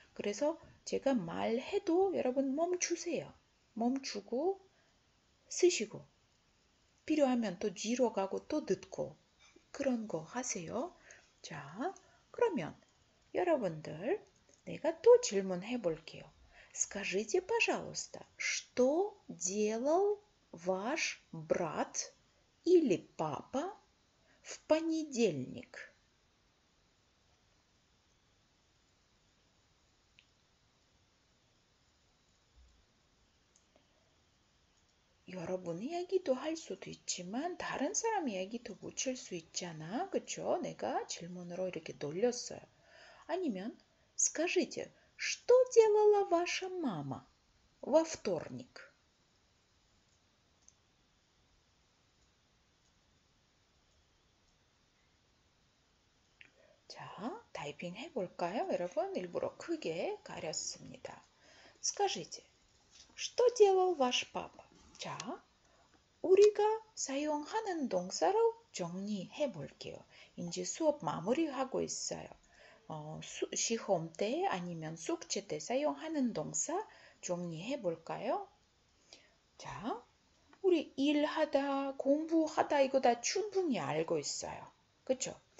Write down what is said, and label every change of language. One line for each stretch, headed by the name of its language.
Korean: 그래서 제가 말해도 여러분 멈추세요. 멈추고 쓰시고 필요하면 또 뒤로 가고 또 듣고 그런 거 하세요. 자, 그러면 여러분들 내가 또 질문해 볼게요.
Russian: Скажите, пожалуйста, что делал ваш брат или папа в понедельник?
Korean: 여러분 이야기도 할 수도 있지만 다른 사람 이야기도 묻힐 수 있잖아. 그쵸? 내가 질문으로 이렇게 돌렸어요. 아니면
Russian: Скажите, что делала ваша мама во вторник?
Korean: 자, 타이핑 해볼까요? 여러분 일부러 크게 가렸습니다.
Russian: Скажите, что делал ваш папа?
Korean: 자, 우리가 사용하는 동사로 정리해 볼게요. 이제 수업 마무리하고 있어요. 시험 때 아니면 숙제 때 사용하는 동사 정리해 볼까요? 자, 우리 일하다, 공부하다 이거 다 충분히 알고 있어요. 그쵸?